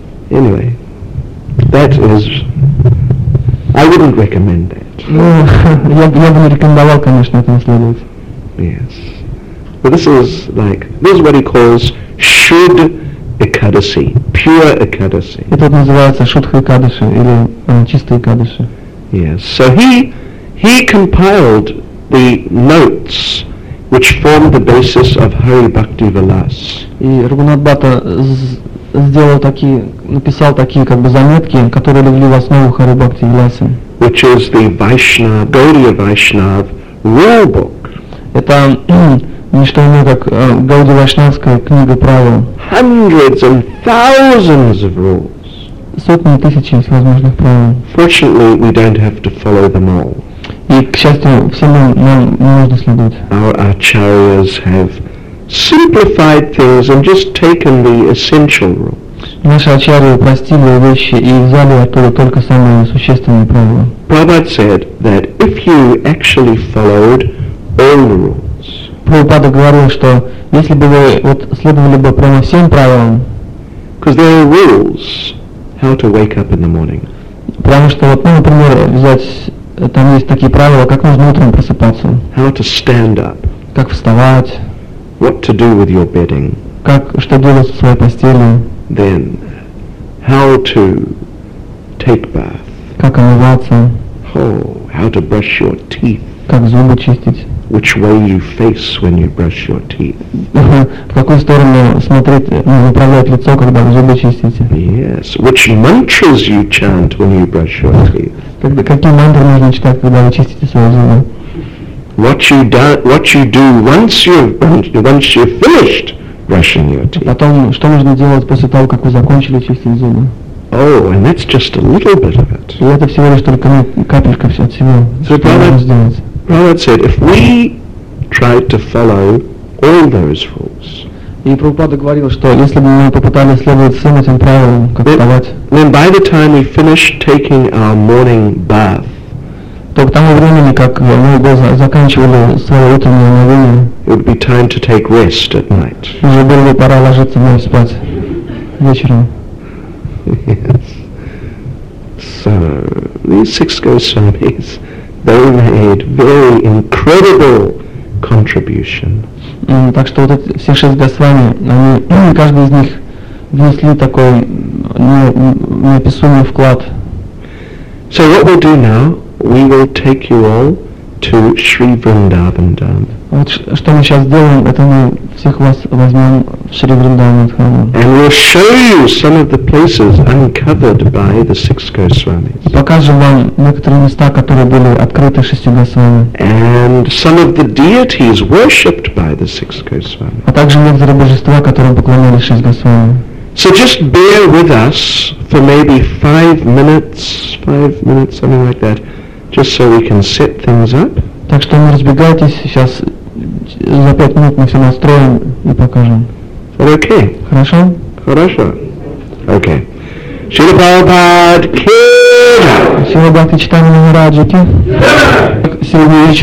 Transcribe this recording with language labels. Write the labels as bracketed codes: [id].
[en] Anyway, that is, I wouldn't recommend that. [ru] Я бы не рекомендовал, конечно, это следовать. [en] Yes. But this is like, this is what he calls should Экадаси, pure Экадаси. [ru] Это называется Шудха Экадаси или чистая Экадаси. [en] Yes. So he compiled the notes which form the basis of Hari Bhakti Vilas. [ru] И Рагунат Бата сделал такие, написал такие как бы заметки, которые легли в основу Хари Бхакти Виласа. [en] Which is the Vaishnava, Gaudiya Vaishnav rule book. [ru] Это не что иное, как Гауди Вайшнавская книга правил. [en] Hundreds and thousands of rules. [ru] Сотни тысяч всевозможных правил. [en] Fortunately, we don't have to follow them all. [ru] И, к счастью, всем нам не нужно следовать. [en] Our acharyas have simplified things and just taken the essential rules. [ru] Наши ачарьи упростили вещи и взяли оттуда только самые существенные правила. [en] Prabhupada said that if you actually followed all the rules, [ru] Прабхупада говорил, что если бы вы вот следовали бы прямо всем правилам, [en] because there are rules how to wake up in the morning. [ru] Потому что вот, ну, например, взять, там есть такие правила, как нужно утром просыпаться. [en] How to stand up. [ru] Как вставать. [en] What to do with your bedding. [ru] Как, что делать со своей постелью. [en] Then, how to take bath. [ru] Как умываться. [en] Oh, how to brush your teeth. [ru] Как зубы чистить. [en] Which way you face when you brush your teeth? [ru] В какую сторону смотреть, направлять лицо, когда вы зубы чистите? [en] Yes. Which mantras you chant when you brush your teeth? [ru] Какие мантры нужно читать, когда вы чистите свои зубы? [en] What you do once you've finished brushing your teeth? [ru] Потом что нужно делать после того, как вы закончили чистить зубы? [en] Oh, and that's just a little bit of it. [ru] И это всего лишь только капелька всего, что нужно сделать. [en] Prabhupada said, if we tried to follow all those rules, [ru] и Прабхупада говорил, что если бы мы попытались следовать всем этим правилам, как вставать, [en] then by the time we finished taking our morning bath, [ru] то к тому времени, как мы заканчивали свое утреннее умывание, [en] it would be time to take rest at night. [ru] Уже было бы пора ложиться мне спать вечером. [en] Yes. So these six Goswamis, they made very incredible contribution. [ru] Так что вот эти все шесть Госвами, они каждый из них внесли такой неописуемый вклад. [en] So what we'll do now, we will take you all to Sri Vrindavan Dham. [ru] Вот что мы сейчас сделаем, это мы всех вас возьмем в Шри Вриндаван Дхам. [en] And we'll show you some of the places uncovered by the six Goswamis. [ru] Покажем вам некоторые места, которые были открыты шестью Госвами. [en] And some of the deities worshipped by the six Goswamis. [ru] А также некоторые божества, которым поклонялись шесть Госвами. [en] So just bear with us for maybe five minutes, something like that, just so we can set things up. [ru] Так что не разбегайтесь, сейчас за 5 минут мы все настроим и покажем. [en] Okay. [ru] Хорошо? Хорошо. Окей. Шрила Прабхупада ки. Шрила Бхакти Читанта Махараджа ки. Сегодня вечером.